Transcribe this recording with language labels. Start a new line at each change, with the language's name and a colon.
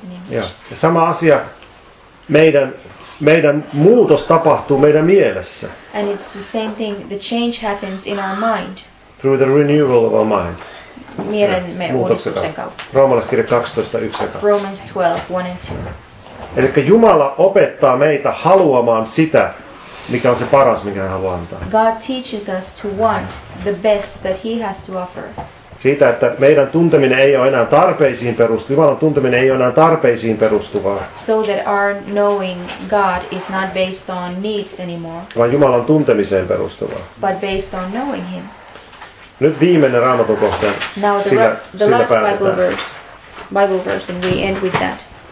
Finnish: Ja sama asia meidän muutos tapahtuu meidän mielessä.
English: And it's the same thing, the change happens in our mind. Through the renewal of our mind.
Finnish: Mielemme uudistuksen kautta. Roomalaiskirja 12:1.
English: Romans 12:1-2.
Finnish: Elikkä Jumala opettaa meitä haluamaan sitä, mikä on se paras, mikä hän haluaa antaa.
English: God teaches us to want the best that he has to offer.
Finnish: Siitä, että meidän tunteminen ei ole enää tarpeisiin perustuvaa. Jumalan tunteminen ei ole enää tarpeisiin perustuvaa.
English: So that our knowing God is not based on needs anymore.
Finnish: Vaan Jumalan tuntemiseen perustuvaa.
English: But based on knowing him.
Finnish: Nyt viimeinen Raamatun kohta.
English: Now the last Bible verse and we end with that.